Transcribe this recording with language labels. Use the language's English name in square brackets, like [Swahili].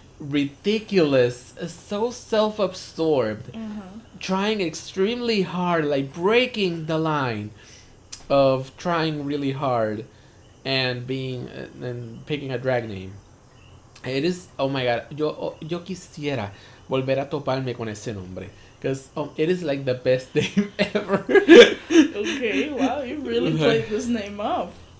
[English] Ridiculous, so self-absorbed, trying extremely hard, like breaking the line of trying really hard and being and picking a drag name. It is, oh my god, [Spanish] yo quisiera volver a toparme con ese nombre. [English] Because it is like the best name ever. Okay, wow, you really played this name up.